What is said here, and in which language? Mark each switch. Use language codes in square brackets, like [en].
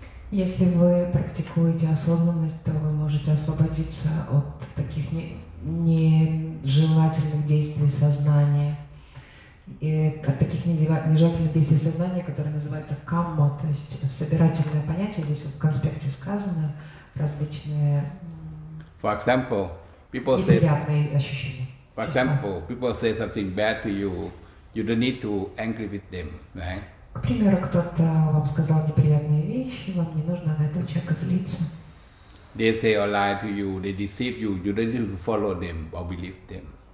[ru] Если вы практикуете осознанность, то вы можете освободиться от таких нежелательных действий сознания. И от таких нежелательных действий сознания, которые называются камма, то есть собирательное понятие, здесь в конспекте сказано, различные неприятные ощущения. [en] For example, people say something bad to you, you don't need to angry with them, right? [ru] К примеру, кто-то вам сказал неприятные вещи, вам не нужно на этого человека злиться. [en] They say a lie to you, they deceive you, you don't need to follow them or believe them.